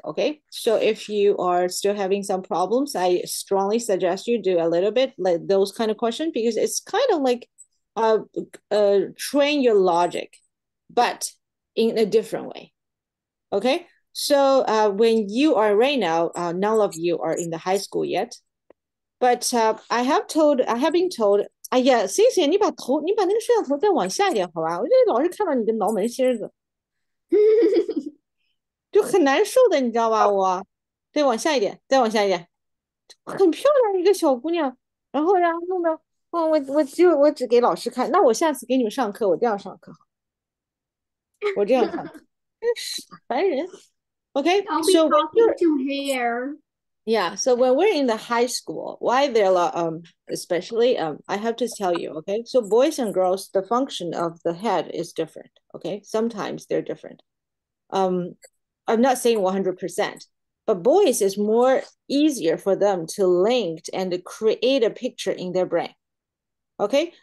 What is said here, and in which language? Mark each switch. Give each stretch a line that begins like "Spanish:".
English: Okay, so if you are still having some problems, I strongly suggest you do a little bit like those kind of questions because it's kind of like train your logic, but in a different way. Okay, so when you are right now, none of you are in the high school yet, but I have been told.
Chinese: 哎呀，星星，你把头，你把那个摄像头再往下一点，好吧？我就老是看到你跟脑门芯子，就很难受的，你知道吧？我，再往下一点，再往下一点，很漂亮一个小姑娘，然后呀，弄得，哦，我只给老师看，那我下次给你们上课，我这样上课好，我这样上课，真是烦人。
English: I'll be talking to her. Yeah, so when we're in the high school, why there are especially I have to tell you, okay? So boys and girls, the function of the head is different, okay? Sometimes they're different. I'm not saying 100%, but boys is more easier for them to link and to create a picture in their brain. Okay?